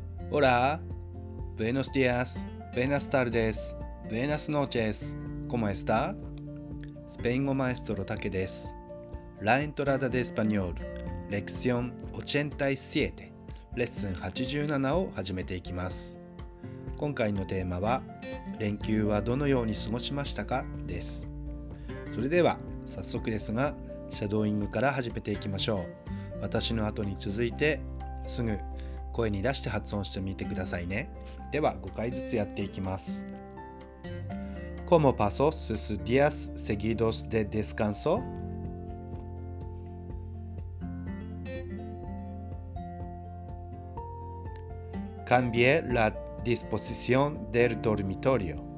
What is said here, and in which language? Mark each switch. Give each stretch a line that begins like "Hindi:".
Spanish: Hola, buenos días, buenas tardes, buenas noches, ¿cómo está?
Japanese: スペイン語マエストロタケです。La Entrada de Español, Lección 87, レッスン87を始めていきます。今回のテーマは、連休はどのように過ごしましたかです。それでは、早速ですが、シャドーイングから始めていきましょう。私の後に続いて、すぐ声に出して発音してみてくださいね。では5回ずつやっていきます。
Spanish: ¿Cómo pasó sus días seguidos de descanso? Cambié la disposición del dormitorio.